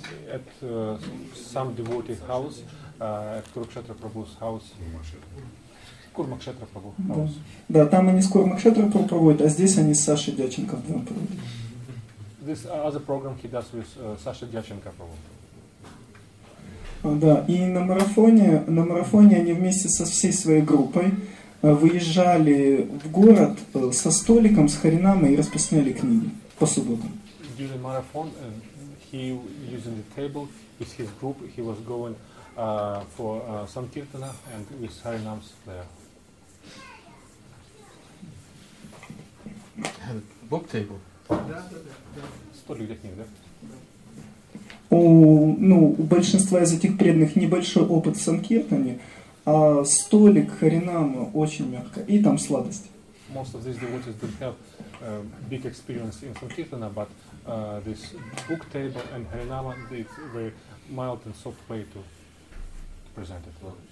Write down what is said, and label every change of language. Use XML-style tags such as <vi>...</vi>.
<ru>Это сам девоти хаус, Курукшетра Прабху хаус. Курмакшетра Прабху хаус. Да, там они с Курмакшетра Прабху проводят, а здесь они с Сашей Дьяченко вдвоем проводят.</ru> <en>This other program he does with Sasha Dyachenko Prabhu.</en> <ru>Да, и на марафоне они вместе со всей своей группой выезжали в город со столиком, с харинамой и распространяли книги по субботам.</ru> <en>During marathon, he using the table with his group, he was going for sankirtana and with harinams there. Book table.</en> <ru>Столик для книг, да? У большинства из этих преданных небольшой опыт в санкиртане, а столик харинама очень мягко, и там сладости.</ru> <en>Most of these devotees don't have big experience in sankirtana, but this book table and harinama, it's very mild and soft way to present it.</en>